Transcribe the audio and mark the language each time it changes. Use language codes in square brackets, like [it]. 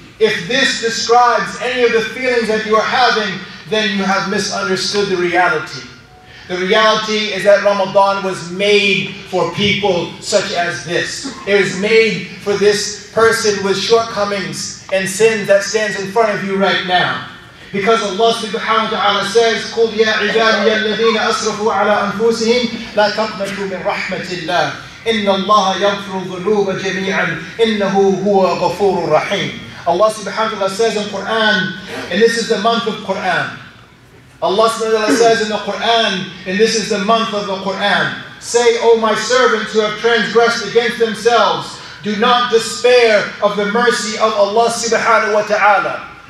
[en] If this describes any of the feelings that you are having, then you have misunderstood the reality. The reality is that Ramadan was made for people such as this. It was made for this person with shortcomings and sin that stands in front of you right now. Because Allah subhanahu wa ta'ala says, [ar] قُلْ يَا عِبَادِيَ الَّذِينَ أَسْرَفُوا عَلَىٰ أَنفُسِهِمْ لَا تَقْنَطُوا مِنْ رَحْمَةِ اللَّهِ إِنَّ اللَّهَ يَغْفِرُ الذُّنُوبَ جَمِيعًا إِنَّهُ هُوَ غَفُورٌ رَحِيمٌ. [en] Allah subhanahu wa ta'ala says in Quran, and this is the month of Quran. Allah subhanahu wa ta'ala says in the Quran, and this is the month of the Quran, say, O my servants who have transgressed against themselves, do not despair of the mercy of Allah subhanahu wa ta'ala.